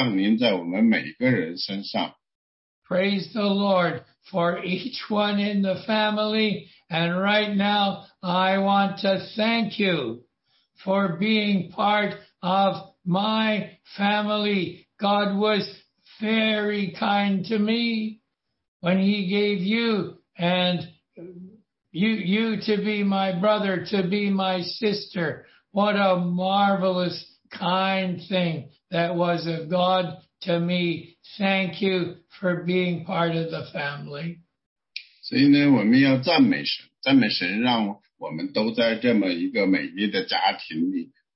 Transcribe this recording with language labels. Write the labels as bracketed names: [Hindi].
[Chinese] 实际上我们是一个美丽的家庭，神把你我都放在这个大家里，我们大家都互相需要。当我们大家在一起的时候呢，神的那个赐福呢，就会降临在我们每个人身上。 [English] Praise the Lord for each one in the family. And right now, I want to thank you for being part of my family. God was very kind to me when he gave you and you to be my brother, to be my sister. What a marvelous, kind thing that was of God to me. Thank you for being part of the family. [Chinese] 所以呢，我们要赞美神，赞美神，让我们都在这么一个美丽的家庭里。